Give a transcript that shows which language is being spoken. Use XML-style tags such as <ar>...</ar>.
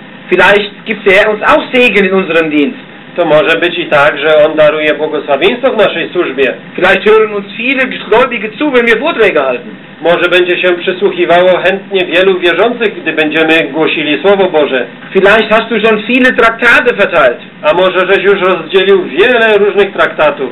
<de>vielleicht gibt er uns auch Segen in unserem Dienst.</de> <pl>To może być i tak, że on daruje błogosławieństwo w naszej służbie.</pl> <de>Vielleicht hören uns viele Gläubige zu, wenn wir Vorträge halten.</de> <pl>Może będzie się przysłuchiwało chętnie wielu wierzących, gdy będziemy głosili Słowo Boże.</pl> <de>Vielleicht hast du schon viele Traktate verteilt.</de> <pl>A może żeś już rozdzielił wiele różnych traktatów.</pl>